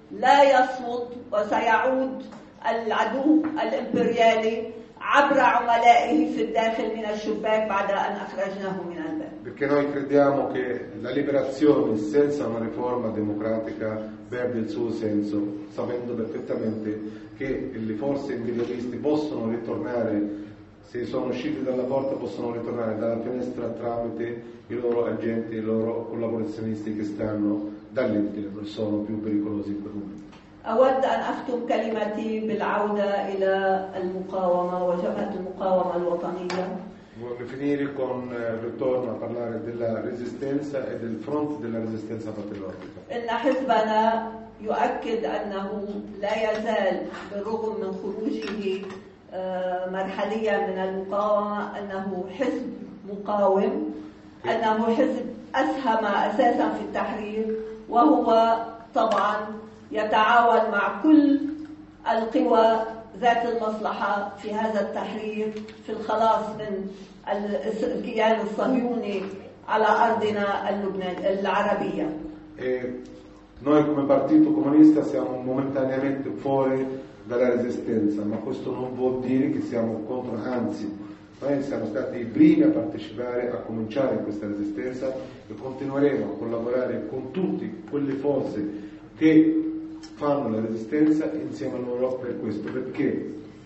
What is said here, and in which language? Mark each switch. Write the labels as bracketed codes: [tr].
[ar] العدو الإمبريالي عبر عملائه في الداخل من الشباك بعد أن أخرجناه من الباب. [it] Perché noi crediamo che la liberazione senza una riforma democratica perde il suo senso, sapendo perfettamente che le forze imperialiste possono ritornare, se sono usciti dalla porta possono ritornare dalla finestra tramite i loro agenti, i loro collaborazionisti che stanno dall'interno, sono più pericolosi in quel momento. [ar] أود أن أختم كلمتي بالعودة إلى المقاومة وجبهة المقاومة الوطنية. [it] Voglio finire con ritorno a parlare della resistenza e del fronte della resistenza patriottica. [ar] إن حزبنا يؤكد أنه لا يزال بالرغم من خروجه مرحليا من المقاومة أنه حزب مقاوم، أنه حزب أسهم أساسا في التحرير، وهو طبعا يتعاون مع كل القوى ذات المصلحة في هذا التحرير في الخلاص من الكيان الصهيوني على أرضنا العربية. [it] Noi come Partito Comunista siamo momentaneamente fuori dalla resistenza, ma questo non vuol dire che siamo contro, anzi, noi siamo stati i primi a partecipare, a cominciare questa resistenza e continueremo a collaborare con tutte quelle forze che fanno la resistenza insieme a loro per questo, perché